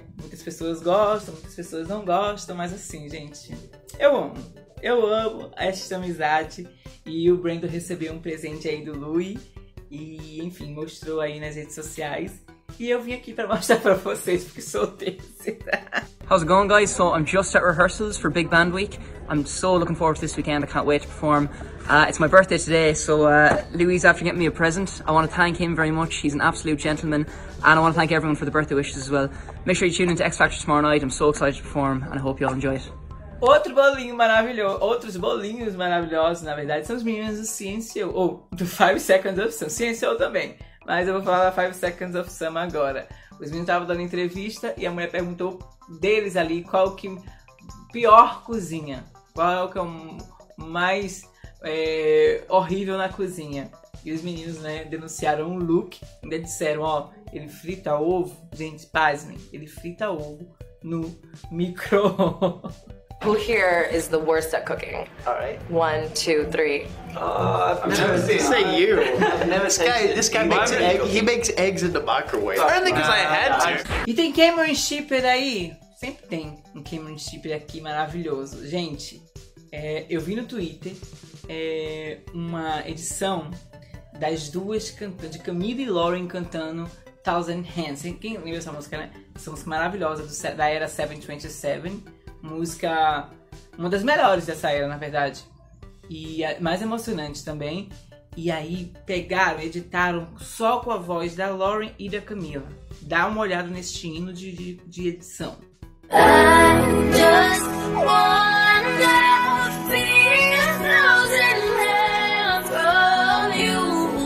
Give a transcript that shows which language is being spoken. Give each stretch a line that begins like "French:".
Portuguese: Muitas pessoas gostam, muitas pessoas não gostam, mas assim, gente, eu amo. Eu amo esta amizade, e o Brandon recebeu um presente aí do Louis e, enfim, mostrou aí nas redes sociais. E eu vim aqui pra mostrar pra vocês, porque sou terceira.
English: How's it going, guys? So, I'm just at rehearsals for Big Band Week. I'm so looking forward to this weekend, I can't wait to perform. It's my birthday today, so Louis is after getting me a present. I want to thank him very much, he's an absolute gentleman. And I want to thank everyone for the birthday wishes as well. Make sure you tune into X Factor tomorrow night. I'm so excited to perform and I hope you all enjoy it.
Portuguese: Outro bolinho maravilhoso. Outros bolinhos maravilhosos, na verdade, são os meninos do CNCO. Ou do 5 Seconds of Summer. CNCO também. Mas eu vou falar da 5 Seconds of Summer agora. Os meninos estavam dando entrevista e a mulher perguntou deles ali qual que pior cozinha. Qual é o que é o mais horrível na cozinha. E os meninos, né, denunciaram um look. Ainda disseram, ó, ele frita ovo. Gente, pasmem. Ele frita ovo no micro-ondas.
English: Who here is the worst at cooking? All right. One, two, three. I've never seen you. This guy makes eggs. He makes eggs in the microwave. Oh, I don't think because I had to.
Portuguese: E tem Cameron Shepherd aí? Sempre tem um Cameron Shepherd aqui maravilhoso. Gente, eu vi no Twitter uma edição... Das duas cantando, de Camila e Lauren cantando Thousand Hands. Quem lembra essa música, né? Essa música maravilhosa da era 727. Música, uma das melhores dessa era, na verdade. E mais emocionante também. E aí pegaram, editaram só com a voz da Lauren e da Camila. Dá uma olhada neste hino de edição.
English: I just wanna feel a thousand hands from you.